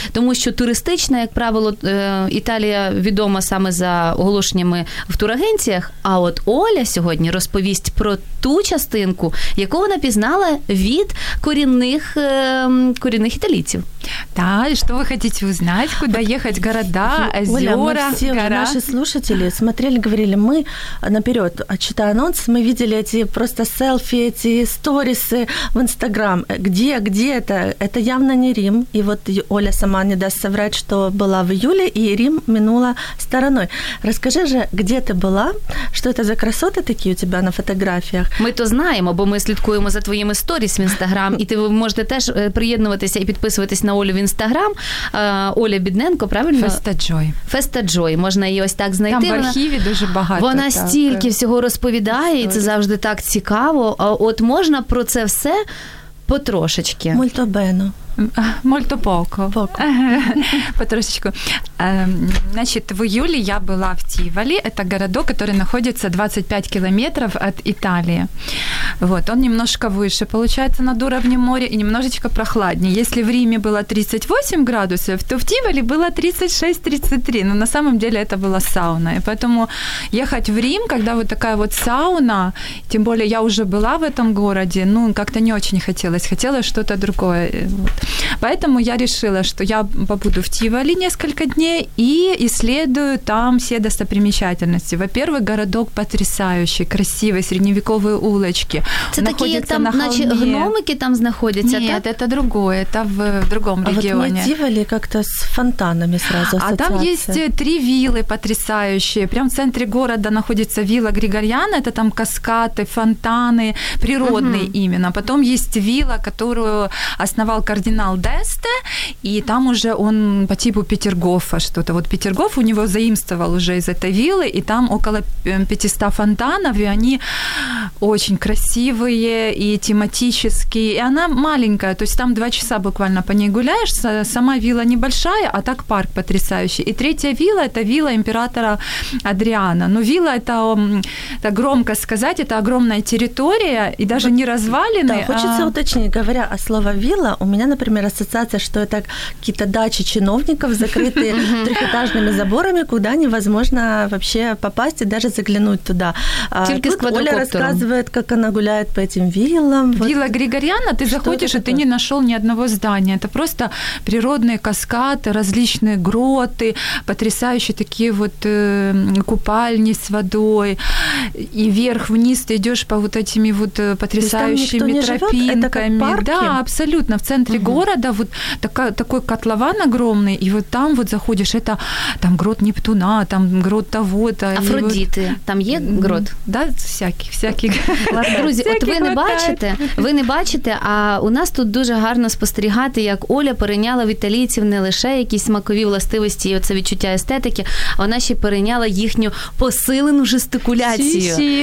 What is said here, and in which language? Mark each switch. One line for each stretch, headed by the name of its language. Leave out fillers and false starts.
Ukrainian: Тому що туристична, як правило, Італія відома саме за оголошеннями в турагенціях, а от Оля сьогодні розповість про ту частинку, яку вона пізнала від корінних італійців. Так, і що ви хочете узнати? Куди їхати? Города, озера, гора?
Russian: Наши слушатели смотрели, говорили, мы наперед, читая анонс, мы видели эти просто селфи, эти сторисы в Инстаграм. Где, где это? Это явно не Рим. И вот Оля сама не даст соврать, что была в июле, и Рим минула стороной. Расскажи же, где ты была? Что это за красоты такие у тебя на фотографиях? Мы то знаем,
Ukrainian: бо мы слідкуємо за твоими сторис в Инстаграм, и ты можете теж приєднуватися и подписываться на Олю в Инстаграм. Оля Бідненко, правильно? Феста Джой. Феста Джой, можна і ось так знайти. Там в архіві дуже багато. Вона так, стільки всього розповідає, історія. І це завжди так цікаво. От можна про це все потрошечки.
Italian: Мольто бено. Molto poco.
Ukrainian: Потрошечку.
Russian: Значит, в июле я была в Тивали. Это городок, который находится 25 километров от Италии. Вот, он немножко выше, получается, над уровнем моря и немножечко прохладнее. Если в Риме было 38 градусов, то в Тивали было 36-33. Но на самом деле это была сауна. И поэтому ехать в Рим, когда вот такая вот сауна, тем более я уже была в этом городе, ну, как-то не очень хотелось. Хотелось что-то другое. Вот. Поэтому я решила, что я побуду в Тивали несколько дней и исследую там все достопримечательности. Во-первых, городок потрясающий, красивый, средневековые улочки.
Ukrainian: Це такі там, наче гномики там знаходяться, ні, так? Ні, це другое, це в другому регіоні. А от ми Тивали як-то з фонтанами зразу асоціація. А там є три вілли потрясаючі. Прямо в центрі города знаходиться вілла Григоріана, це там каскади, фонтани, природні іменно. Потім є вілла, яку основав кардинал Десте, і там уже він по типу Петергофа щось. От Петергоф у нього заимствовал уже із цієї вілли, і там около 500 фонтанів, і вони дуже красиві.
Russian: Красивые и тематические. И она маленькая, то есть там 2 часа буквально по ней гуляешь. Сама вилла небольшая, а так парк потрясающий. И третья вилла – это вилла императора Адриана. Но вилла – это громко сказать, это огромная территория, и даже вот, не развалины. Да, хочется уточнить, говоря о слове вилла, у меня, например, ассоциация, что это какие-то дачи чиновников, закрытые трехэтажными заборами, куда невозможно вообще попасть и даже заглянуть туда. Только с квадрокоптером. Оля рассказывает, как она гуляет по этим виллам. Вилла вот. Григоряна, ты что заходишь, и ты не нашел ни одного здания. Это просто природные каскады, различные гроты, потрясающие такие вот купальни с водой. И вверх-вниз ты идешь по вот этими вот потрясающими тропинками. Да, абсолютно. В центре города вот такой котлован огромный, и вот там вот заходишь, это там грот Нептуна, там грот того-то. Афродиты. Вот. Там есть грот? Да, всякий.
Ukrainian: Друзі, от ви не бачите, а у нас тут дуже гарно спостерігати, як Оля перейняла в італійців не лише якісь смакові властивості і оце відчуття естетики, а вона ще перейняла їхню посилену жестикуляцію.